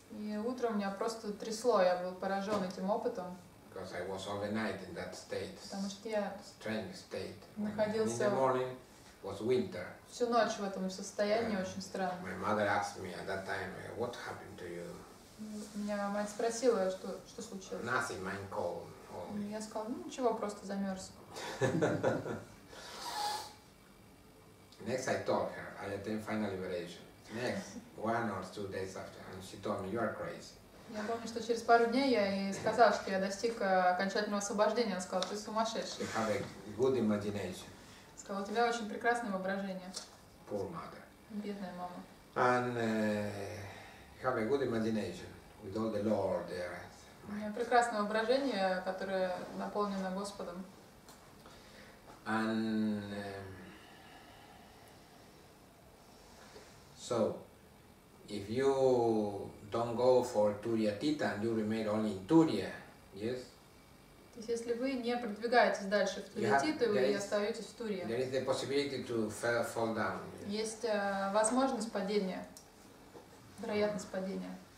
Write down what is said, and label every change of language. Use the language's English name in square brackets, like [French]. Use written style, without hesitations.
[Russian] И утром меня просто трясло, я был поражен этим опытом. [English] Because I was overnight in that state. [Russian] Потому что я [English] strange state. [Russian] Находился. [English] And in the morning, was winter. [Russian] Всю ночь в этом состоянии очень странно. [English] My mother asked me at that time, what happened to you? [Russian] Меня мать спросила, что случилось. [English] Nothing, mine cold. [Russian] Я сказал, ничего, просто замерз. [English] Next, I told her, I attained final liberation. Next, one or two days after, and she told me, you are crazy. [Russian] Я помню, что через пару дней я ей сказал, что я достиг окончательного освобождения. Она сказала, ты сумасшедший. [English] You have a good imagination. [Russian] Сказала, у тебя очень прекрасное воображение. [English] Poor mother. [Russian] Бедная мама. [English] And have a good imagination with all the Lord there. [Russian] Прекрасное воображение, которое наполнено Господом. [English] And so, if you don't go for Turiatita and you remain only in Turia, yes? [Russian] То есть, если вы не продвигаетесь дальше в Туриатиту, вы остаетесь в Турии. [English] There is the possibility to fall down. [Russian] Есть возможность падения, вероятность падения.